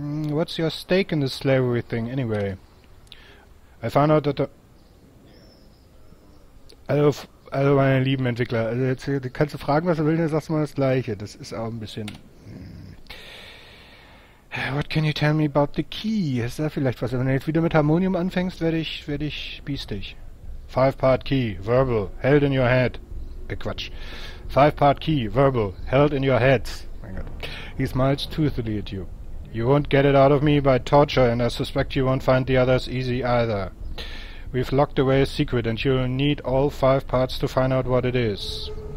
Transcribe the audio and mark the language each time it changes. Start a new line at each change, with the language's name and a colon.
English: What's your stake in the slavery thing anyway? I found out that the.
German: Also meine lieben Entwickler, also jetzt kannst du fragen, was du willst, dann sagst du mal das Gleiche. Das ist auch ein bisschen.
English: What can you tell me about the key?
German: Ist da vielleicht was? Wenn du jetzt wieder mit Harmonium anfängst, werde ich biestig.
English: Five-part key, verbal, held in your head. Quatsch. Five-part key, verbal, held in your heads.
German: Mein Gott.
English: He smiles toothily at you. You won't get it out of me by torture, and I suspect you won't find the others easy either. We've locked away a secret, and you'll need all five parts to find out what it is.